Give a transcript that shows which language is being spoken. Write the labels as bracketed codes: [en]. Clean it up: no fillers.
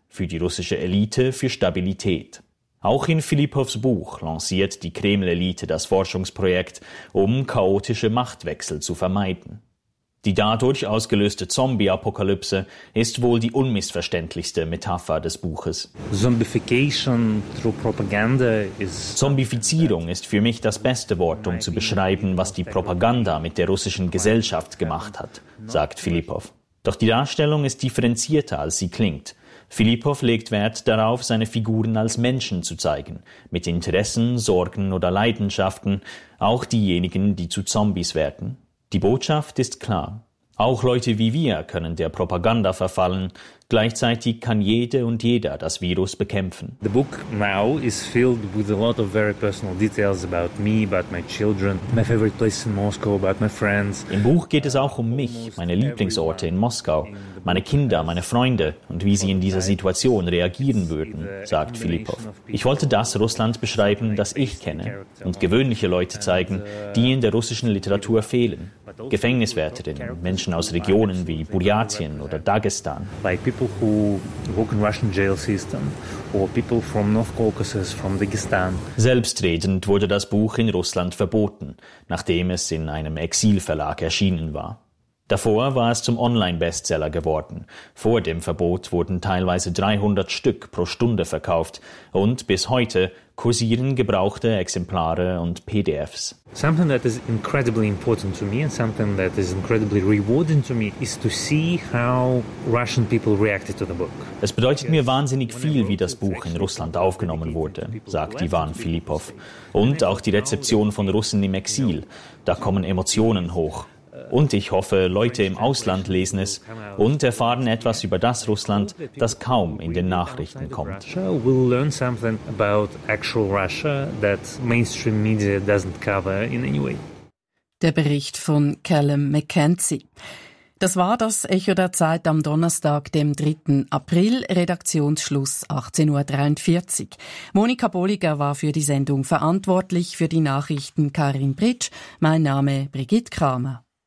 [de] Für die russische Elite, für Stabilität. Auch in Filipows Buch lanciert die Kreml-Elite das Forschungsprojekt, um chaotische Machtwechsel zu vermeiden. Die dadurch ausgelöste Zombie-Apokalypse ist wohl die unmissverständlichste Metapher des Buches. [en] Zombification through propaganda is [de] Zombifizierung ist für mich das beste Wort, um zu beschreiben, was die Propaganda mit der russischen Gesellschaft gemacht hat, sagt Filipow. Doch die Darstellung ist differenzierter, als sie klingt. Filipow legt Wert darauf, seine Figuren als Menschen zu zeigen, mit Interessen, Sorgen oder Leidenschaften, auch diejenigen, die zu Zombies werden. Die Botschaft ist klar. Auch Leute wie wir können der Propaganda verfallen. Gleichzeitig kann jede und jeder das Virus bekämpfen. [en] The book now is filled with a lot of very personal details about me, about my children, my favorite place in Moscow, about my friends. [de] Im Buch geht es auch um mich, meine Lieblingsorte in Moskau, meine Kinder, meine Freunde und wie sie in dieser Situation reagieren würden, sagt Filipow. Ich wollte das Russland beschreiben, das ich kenne, und gewöhnliche Leute zeigen, die in der russischen Literatur fehlen. Gefängniswärterinnen, Menschen aus Regionen wie Burjatien oder Dagestan. [en] People who work in Russian jail system or people from North Caucasus, from Dagestan. [de] Selbstredend wurde das Buch in Russland verboten, nachdem es in einem Exilverlag erschienen war. Davor war es zum Online-Bestseller geworden. Vor dem Verbot wurden teilweise 300 Stück pro Stunde verkauft und bis heute kursieren gebrauchte Exemplare und PDFs. [en] Something that is incredibly important to me and something that is incredibly rewarding to me is to see how Russian people reacted to the book. [de] Es bedeutet mir wahnsinnig viel, wie das Buch in Russland aufgenommen wurde, sagt Ivan Filipow. Und auch die Rezeption von Russen im Exil. Da kommen Emotionen hoch. Und ich hoffe, Leute im Ausland lesen es und erfahren etwas über das Russland, das kaum in den Nachrichten kommt. [en] We'll learn something about actual Russia that mainstream media doesn't cover in any way. [de] Der Bericht von Callum McKenzie. Das war das Echo der Zeit am Donnerstag, dem 3. April, Redaktionsschluss 18.43 Uhr. Monika Bolliger war für die Sendung verantwortlich, für die Nachrichten Karin Britsch. Mein Name Brigitte Kramer.